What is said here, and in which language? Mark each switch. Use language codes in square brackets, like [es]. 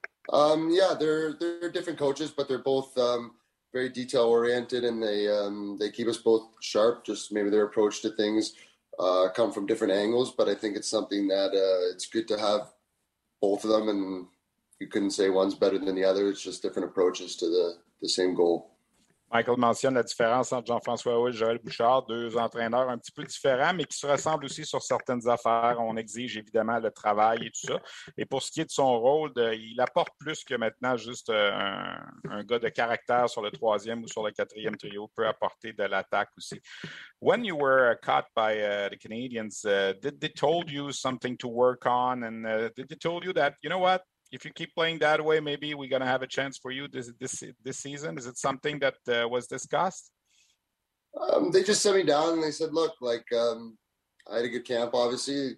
[en] Yeah, they're different coaches, but they're both very detail oriented, and they keep us both sharp. Just maybe their approach to things come from different angles, but I think it's something that it's good to have both of them, and you couldn't say one's better than the other. It's just different approaches to the same goal. [fr] Michael mentionne la différence entre Jean-François Houle et Joël Bouchard, deux entraîneurs un petit peu différents, mais qui se ressemblent aussi sur certaines affaires. On exige évidemment le travail et tout ça. Et pour ce qui est de son rôle, il apporte plus que maintenant juste un gars de caractère sur le troisième ou sur le quatrième trio, peut apporter de l'attaque aussi. [en] When you were caught by the Canadians, did they told you something to work on? And did they told you that, you know what? If you keep playing that way, maybe we're going to have a chance for you this season. Is it something that was discussed? They just sent me down and they said, look, like I had a good camp, obviously.